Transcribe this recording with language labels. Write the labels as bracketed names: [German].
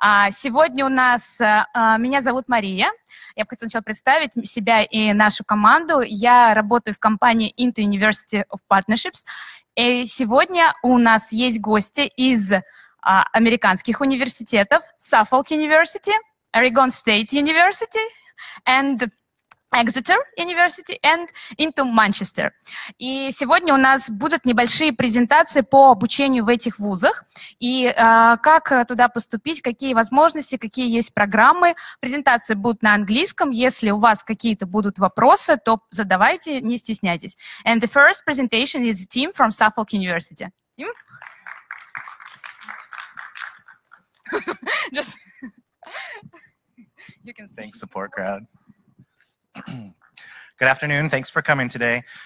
[Russian] Сегодня у нас... Меня зовут Мария. Я бы хотела сначала представить себя и нашу команду. Я работаю в компании Inter University of Partnerships. И сегодня у нас есть гости из американских университетов. [English] Suffolk University, Oregon State University, and Exeter University, and Into Manchester. [Russian] И сегодня у нас будут небольшие презентации по обучению в этих вузах и как туда поступить, какие возможности, какие есть программы. Презентации будут на английском. Если у вас какие-то будут вопросы, то задавайте, не стесняйтесь. [English] And the first presentation is a team from Suffolk University. Team? Just... You can see. Thanks, support crowd. Good afternoon. Thanks for coming today.